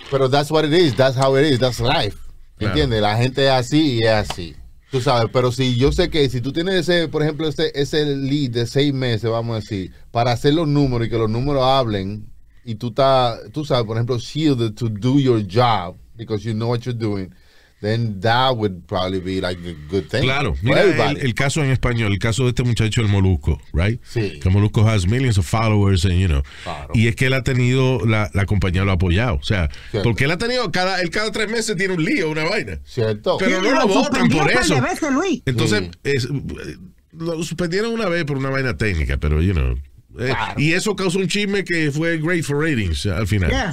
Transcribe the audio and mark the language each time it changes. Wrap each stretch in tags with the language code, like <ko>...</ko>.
<es>Pero</es> <en>that's what it is, that's how it is, that's life.</en> <es>¿Entiendes? Claro. La gente es así y es así. Tú sabes, pero si yo sé que si tú tienes ese, por ejemplo, ese lead de 6 meses, vamos a decir, para hacer los números y que los números hablen, y tú sabes, por ejemplo,</es> <en>shielded to do your job because you know what you're doing, then that would probably be like a good thing.</en> <es>Claro, mira el caso en español, el caso de este muchacho, el Molusco,</es> <en>right?</en> <es>Sí. Que</es> <en>Molusco has millions of followers and, you know.</en> <es>Claro. Y es que él ha tenido, la compañía lo ha apoyado. O sea, cierto. Porque él ha tenido, cada 3 meses tiene un lío, una vaina. Cierto. Pero no lo votan por eso. Veces, Luis. Entonces, lo suspendieron una vez por una vaina técnica, pero,</es> <en>you know.</en> <es>Claro. Y eso causó un chisme que fue</es> <en>great for ratings</en> <es>al final.</es>